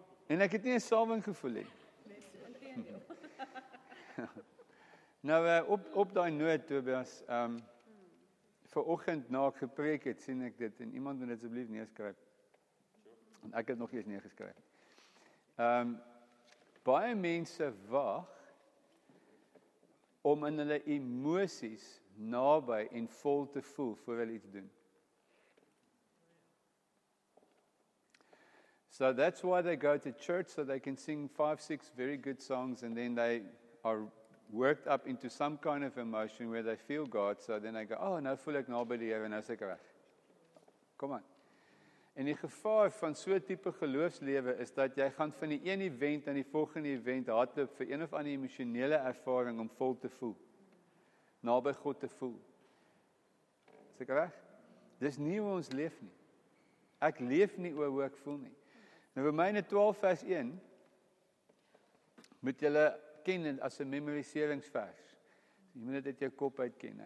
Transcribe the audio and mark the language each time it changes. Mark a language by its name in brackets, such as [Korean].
[Afrikaans] En ek het nie een salving gevoel, nie. Nou, op die noot, Tobias, vir oggend na ek gepreek het, sien ek dit, en iemand moet dit asseblief neerskryf. En ek het nog eens neergeskryf. Baie mense wag om in hulle emosies naby en vol te voel, voor hulle iets doen. [English] So that's why they go to church, so they can sing 5-6 very good songs, and then they are worked up into some kind of emotion where they feel God, so then they go, oh, [Afrikaans] nou voel ek naby die Here, nou is ek reg. [English] Come on. [Afrikaans] En die gevaar van so'n type geloofslewe is dat jy gaan van die ene event aan die volgende event hardloop vir een of ander emotionele ervaring om vol te voel. Naby God te voel. Is ek reg? Dis nie hoe ons leef nie. Ek leef nie oor hoe ek voel nie. In Romeine 12 vers 1 moet julle ken as een memoriseringsvers. Jy moet dit uit jou kop uitken.